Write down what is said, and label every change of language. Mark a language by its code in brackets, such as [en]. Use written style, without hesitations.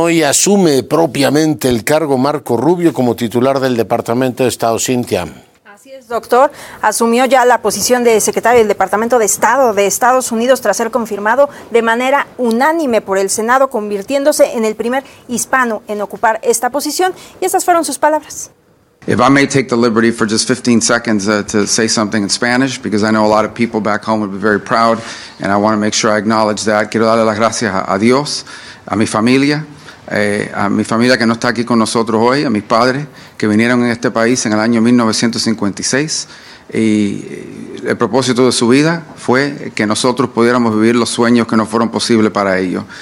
[es] Hoy asume propiamente el cargo Marco Rubio como titular del Departamento de Estado, Cintia. Doctor, asumió ya la posición de secretario del Departamento de Estado de Estados Unidos tras ser confirmado de manera unánime por el Senado, convirtiéndose en el primer hispano en ocupar esta posición. Y estas fueron sus palabras. [en] If I may take the liberty for just 15 seconds to say something in Spanish, because I know a lot of people back home would be very proud, and I want to make sure I acknowledge that. [es] Quiero darle las gracias a Dios, a mi familia que no está aquí con nosotros hoy, a mis padres que vinieron en este país en el año 1956, y el propósito de su vida fue que nosotros pudiéramos vivir los sueños que no fueron posibles para ellos.